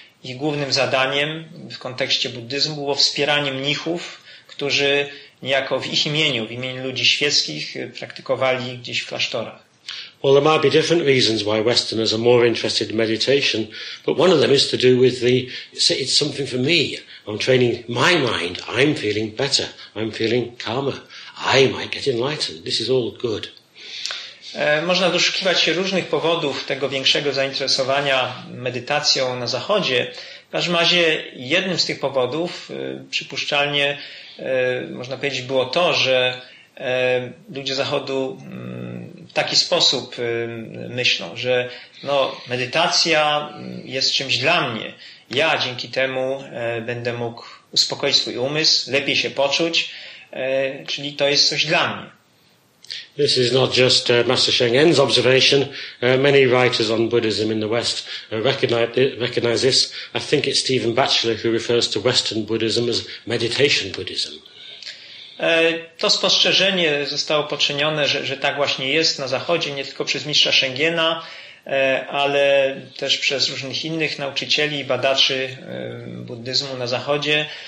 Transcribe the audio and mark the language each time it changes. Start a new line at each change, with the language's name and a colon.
Polish: Ich głównym zadaniem w kontekście buddyzmu było wspieranie mnichów, którzy niejako w ich imieniu, w imieniu ludzi świeckich, praktykowali gdzieś w klasztorach.
English: Well, there might be different reasons why Westerners are more interested in meditation, but one of them is to do with it's something for me. I'm training my mind. I'm feeling better. I'm feeling calmer. I might get enlightened. This is all good.
Polish: Można doszukiwać się różnych powodów tego większego zainteresowania medytacją na Zachodzie. W każdym razie jednym z tych powodów przypuszczalnie można powiedzieć było to, że ludzie Zachodu w taki sposób myślą, że no, medytacja jest czymś dla mnie. Ja dzięki temu będę mógł uspokoić swój umysł, lepiej się poczuć, czyli to jest coś dla mnie.
English: This is not just Master Sheng Yen's observation. Many writers on Buddhism in the West recognize this. I think it's Stephen Batchelor who refers to Western Buddhism as meditation Buddhism.
Polish: To spostrzeżenie zostało poczynione, że tak właśnie jest na Zachodzie, nie tylko przez Mistrza Sheng Yena, ale też przez różnych innych nauczycieli i badaczy buddyzmu na Zachodzie.